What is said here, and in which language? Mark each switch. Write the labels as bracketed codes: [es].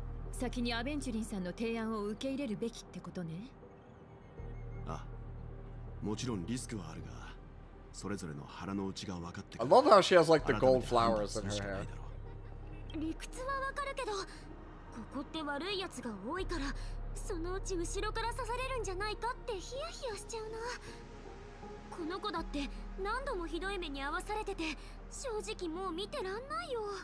[ja] 先にアベンチュリンさんの提案を受け入れるべきってことね。あ、もちろんリスクはあるが、それぞれの腹の内が分かって。 [en] I love how she has like the gold flowers in her hair. [ja] 理屈はわかるけど、ここって悪い奴が多いから、そのうち後ろから刺されるんじゃないかってヒヤヒヤしちゃうな。この子だって何度もひどい目に遭わされてて、正直もう見てらんないよ。